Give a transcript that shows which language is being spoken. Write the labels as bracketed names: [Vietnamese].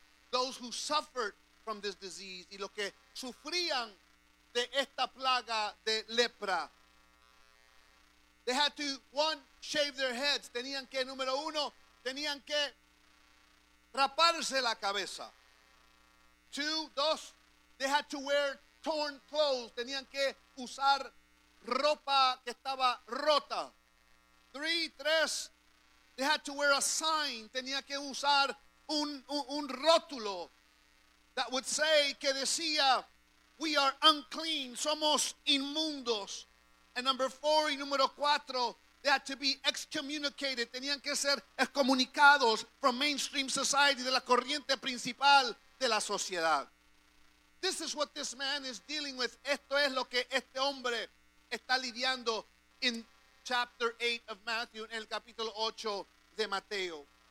[English] Those who suffered from this disease [Spanish] y los que sufrían de esta plaga de lepra, [English] they had to, one, shave their heads. [Spanish] Tenían que, número uno, tenían que raparse la cabeza. [English] Two, [Spanish] dos, [English] they had to wear torn clothes. [Spanish] Tenían que usar ropa que estaba rota. [English] Three, [Spanish] tres, [English] they had to wear a sign. [Spanish] Tenía que usar un rótulo [English] that would say, [Spanish] que decía, [English] we are unclean, [Spanish] somos inmundos. [English] And number four [Spanish] y número cuatro, [English] they had to be excommunicated. [Spanish] Tenían que ser excomunicados [English] from mainstream society, [Spanish] de la corriente principal de la sociedad. [English] This is what this man is dealing with. [Spanish] Esto es lo que este hombre está lidiando [English] in chapter 8 of Matthew, [Spanish] en el capítulo 8 de Mateo.